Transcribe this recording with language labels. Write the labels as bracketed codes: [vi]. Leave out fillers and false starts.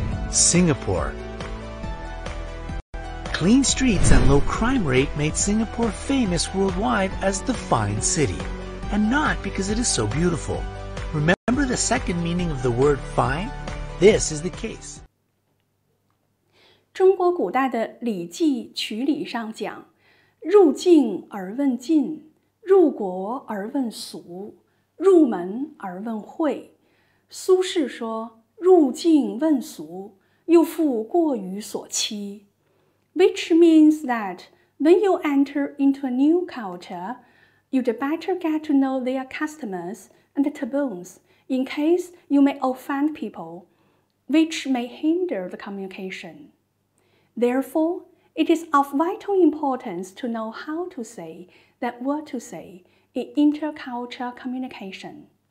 [en] Singapore. Clean streets and low crime rate made Singapore famous worldwide as the fine city, and not because it is so beautiful. Remember the second meaning of the word fine? This is the case. [zh] 中国古代的《礼记·曲礼》上讲，入境而问禁，入国而问俗，入门而问讳。苏轼说，入境问俗，又复过于所期。 [en] Which means that when you enter into a new culture, you'd better get to know their customs and taboos, in case you may offend people, which may hinder the communication. Therefore, it is of vital importance to know how to say that what to say in intercultural communication.